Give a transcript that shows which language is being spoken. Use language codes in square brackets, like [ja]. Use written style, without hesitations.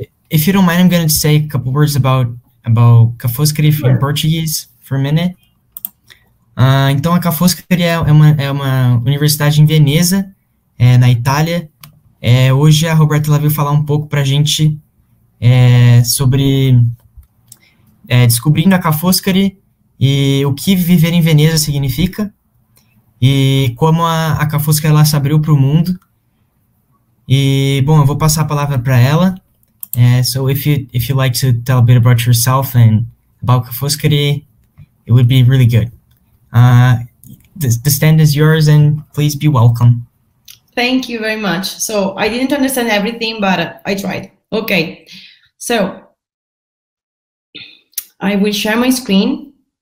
[en] If you don't mind, I'm going to say a couple words about Ca Foscari in Sure. Portuguese for a minute. [pt] Então, a Ca Foscari é uma universidade em Veneza, na Itália. Hoje a Roberta ela veio falar um pouco para a gente sobre descobrindo a Ca Foscari. E o que viver em Veneza significa, e como a Ca Foscari ela se abriu para o mundo. E, bom, eu vou passar a palavra para ela. [en] So, if you like to tell a bit about yourself and about Ca Foscari, it would be really good. The stand is yours, and please be welcome. Thank you very much. So I didn't understand everything, but I tried. Okay. So I will share my screen.